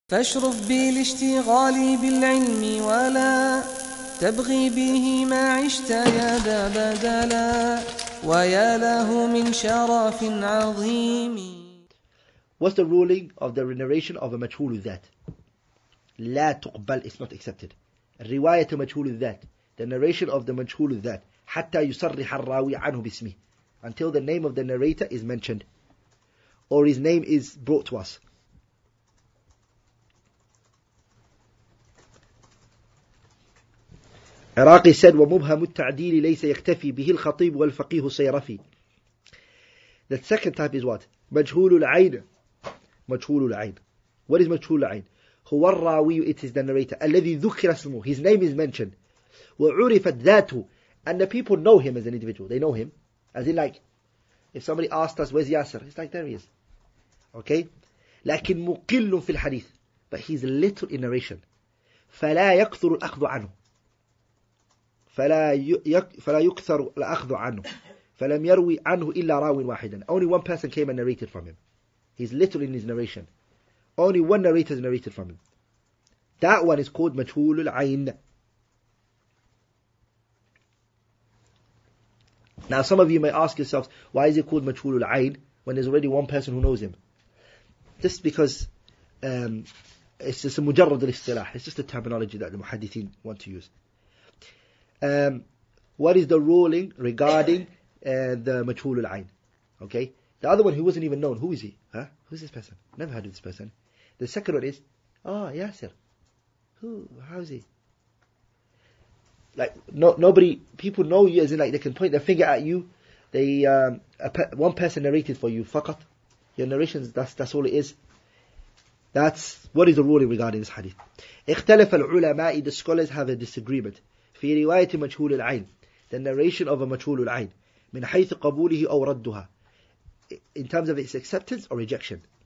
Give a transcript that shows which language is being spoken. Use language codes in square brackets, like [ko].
[ar] فاشرف بي لاشتغالي بالعلم ولا تبغي به ما عشت يا ذا بدلا ويا له من شرف عظيم. [en] What's the ruling of the narration of a majhul al-dhat? [ar] لا تقبل, [en] it's not accepted. الرواية majhul al-dhat, the narration of the majhul al-dhat, [ar] حتى يصرح الراوي عنه باسمه, [en] until the name of the narrator is mentioned, or his name is brought to us. [ar] عراقي said, ومبهم التعديل ليس يكتفي به الخطيب والفقيه الصيرفي. [en] The second type is what? مجهول العين. مجهول العين. What is مجهول العين? [ar] هو الراوي, [en] it is the narrator. [ar] الذي ذكر اسمه, [en] his name is mentioned. [ar] وعرفت ذاته. [en] And the people know him as an individual. They know him. As in like, if somebody asked us, where's Yasser? It's like, there he is. Okay? [ar] لكن مقل في الحديث. [en] But he's little in narration. [ar] فلا يكثر الأخذ عنه. فلا يكثر الأخذ عنه فلم يروي عنه إلا راو واحدا. [en] Only one person came and narrated from him. He's little in his narration. Only one narrator narrated from him. That one is called مجهول العين. Now some of you may ask yourselves, why is it called مجهول العين when there's already one person who knows him? Just because it's just a [ar] مجرد الاصطلاح. [en] It's just a terminology that the muhadithin want to use. What is the ruling regarding the مجهول العين? Okay, the other one who wasn't even known, who is he? Huh? Who's this person? Never heard of this person. The second one is, oh, Yasser. Who? How is he? Like, no, nobody, people know you, as in like they can point their finger at you. They one person narrated for you. Fakat, your narrations. That's all it is. That's what is the ruling regarding this hadith. [ar] اختلف العلماء, [en] the scholars have a disagreement. [ar] في رواية مجهول العين, [en] the narration of a مجهول العين, [ar] من حيث قبوله أو ردها, [en] in terms of its acceptance or rejection.